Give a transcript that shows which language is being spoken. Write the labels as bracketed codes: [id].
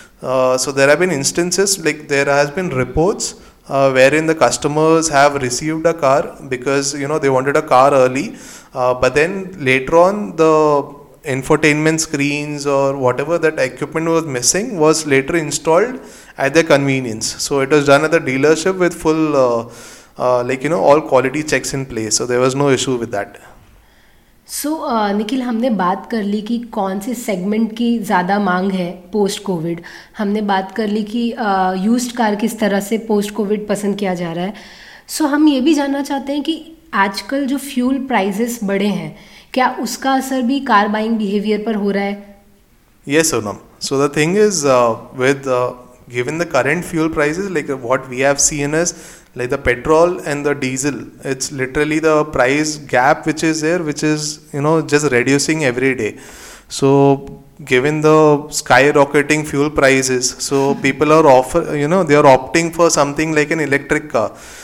[en] So there have been instances, like there has been reports wherein the customers have received a car because, you know, they wanted a car early, but then later on the infotainment screens or whatever that equipment was missing was later installed at their convenience. So it was done at the dealership with full like, you know, all quality checks in place, so there was no issue with that. [hi] So Nikhil, हमने बात कर ली कि कौन से segment की ज़्यादा मांग है पोस्ट कोविड. हमने बात कर ली कि यूज्ड कार किस तरह से पोस्ट कोविड पसंद किया जा रहा है. सो हम ये भी जानना चाहते हैं कि आजकल जो फ्यूल प्राइसेस बढ़े हैं, क्या उसका असर भी कार बाइंग बिहेवियर पर हो रहा है? [en] Yes, Sonam. So the thing is, with given the current fuel prices, like what we have seen is, like the petrol and the diesel, it's literally the price gap which is there, which is, you know, just reducing every day. So given the skyrocketing fuel prices, so people are they are opting for something like an electric car.